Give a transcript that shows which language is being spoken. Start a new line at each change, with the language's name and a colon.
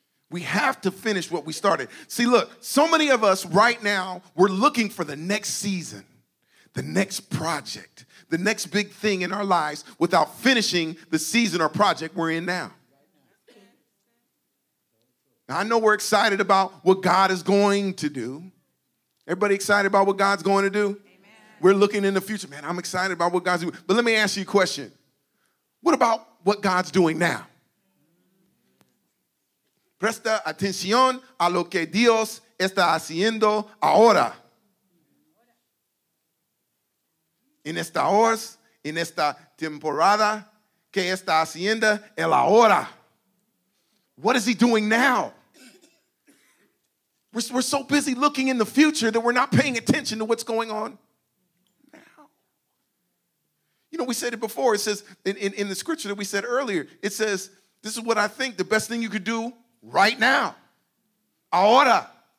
English: We have to finish what we started. See, look, so many of us right now, we're looking for the next season, the next project, the next big thing in our lives without finishing the season or project we're in now. I know we're excited about what God is going to do. Everybody excited about what God's going to do? Amen. We're looking in the future. Man, I'm excited about what God's doing. But let me ask you a question. What about what God's doing now?
Spanish: Presta atención a lo que Dios está haciendo ahora. En esta hora, en esta temporada, que está haciendo el ahora.
English: What is he doing now? We're so busy looking in the future that we're not paying attention to what's going on now. You know, we said it before. It says in the scripture that we said earlier, it says, this is what I think, the best thing you could do right now.
Spanish: Ahora.